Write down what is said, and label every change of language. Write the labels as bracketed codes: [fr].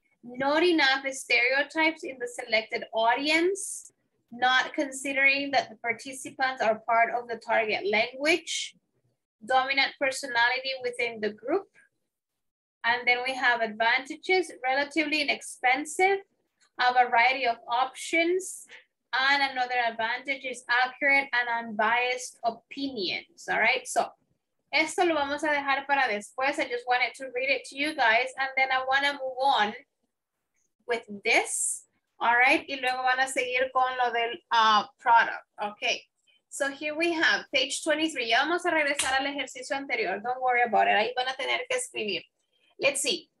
[en] not enough stereotypes in the selected audience, not considering that the participants are part of the target language, dominant personality within the group. And then we have advantages, relatively inexpensive, a variety of options. And another advantage is accurate and unbiased opinions, all right? [es] So, esto lo vamos a dejar para después. [en] I just wanted to read it to you guys. And then I wanna move on with this, all right? [es] Y luego van a seguir con lo del product, okay? [en] So here we have page 23. [es] Ya vamos a regresar al ejercicio anterior. [en] Don't worry about it. [es] Ahí van a tener que escribir. [en] Let's see.